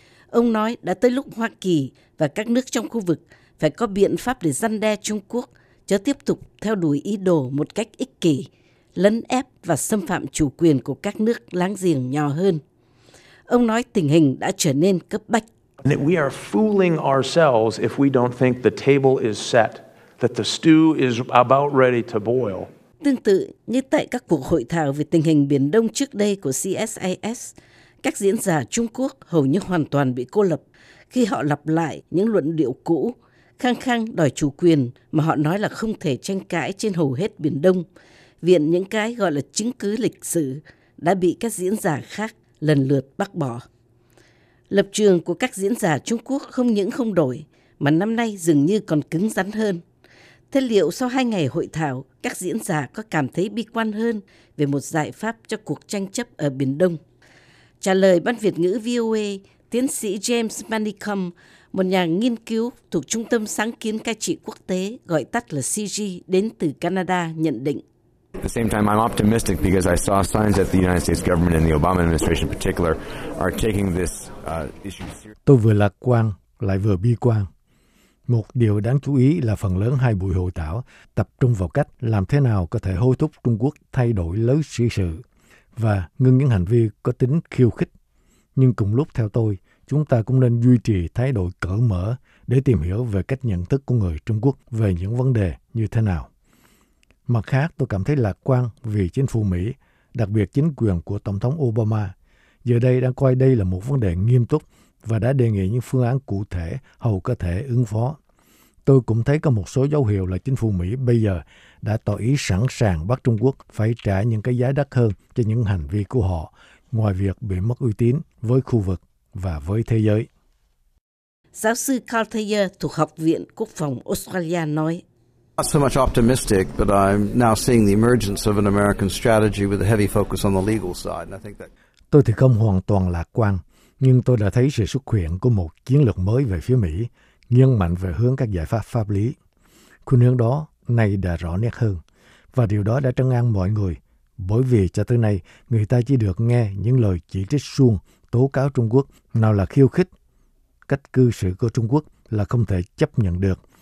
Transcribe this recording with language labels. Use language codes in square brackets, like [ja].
[vi] Ông nói đã tới lúc Hoa Kỳ và các nước trong khu vực phải có biện pháp để răn đe Trung Quốc, chớ tiếp tục theo đuổi ý đồ một cách ích kỷ, lấn ép và xâm phạm chủ quyền của các nước láng giềng nhỏ hơn. Ông nói tình hình đã trở nên cấp bách. [en] That we are fooling ourselves if we don't think the table is set, that the stew is about ready to boil. [vi] Tương tự như tại các cuộc hội thảo về tình hình Biển Đông trước đây của CSIS, các diễn giả Trung Quốc hầu như hoàn toàn bị cô lập khi họ lặp lại những luận điệu cũ, khăng khăng đòi chủ quyền mà họ nói là không thể tranh cãi trên hầu hết Biển Đông, viện những cái gọi là chứng cứ lịch sử đã bị các diễn giả khác lần lượt bác bỏ. Lập trường của các diễn giả Trung Quốc không những không đổi, mà năm nay dường như còn cứng rắn hơn. Thế liệu sau 2 ngày hội thảo, các diễn giả có cảm thấy bi quan hơn về một giải pháp cho cuộc tranh chấp ở Biển Đông? Trả lời Ban Việt ngữ VOA, tiến sĩ James Manicom, một nhà nghiên cứu thuộc Trung tâm Sáng kiến Cai trị Quốc tế, gọi tắt là CG, đến từ Canada, nhận định. [en] At the same time, I'm optimistic because I saw signs that the United States government and the Obama administration in particular are taking this issue seriously. [vi] Tôi vừa lạc quan, lại vừa bi quan. Một điều đáng chú ý là phần lớn 2 buổi hội thảo tập trung vào cách làm thế nào có thể hối thúc Trung Quốc thay đổi lối xử sự và ngừng những hành vi có tính khiêu khích. Nhưng cùng lúc theo tôi, chúng ta cũng nên duy trì thái độ cởi mở để tìm hiểu về cách nhận thức của người Trung Quốc về những vấn đề như thế nào. Mặt khác, tôi cảm thấy lạc quan vì chính phủ Mỹ, đặc biệt chính quyền của Tổng thống Obama, giờ đây đang coi đây là một vấn đề nghiêm túc và đã đề nghị những phương án cụ thể hầu có thể ứng phó. Tôi cũng thấy có một số dấu hiệu là chính phủ Mỹ bây giờ đã tỏ ý sẵn sàng bắt Trung Quốc phải trả những cái giá đắt hơn cho những hành vi của họ, ngoài việc bị mất uy tín với khu vực và với thế giới. Giáo sư Carl Thayer thuộc Học viện Quốc phòng Australia nói, [en] not so much optimistic, but I'm now seeing the emergence of an American strategy with a heavy focus on the legal side, and I think that. [vi] Tôi thì không hoàn toàn lạc quan, nhưng tôi đã thấy sự xuất hiện của một chiến lược mới về phía Mỹ, nghiêng mạnh về hướng các giải pháp pháp lý. Khuynh hướng đó nay đã rõ nét hơn, và điều đó đã trấn an mọi người, bởi vì cho tới nay người ta chỉ được nghe những lời chỉ trích suông, tố cáo Trung Quốc nào là khiêu khích, cách cư xử của Trung Quốc là không thể chấp nhận được.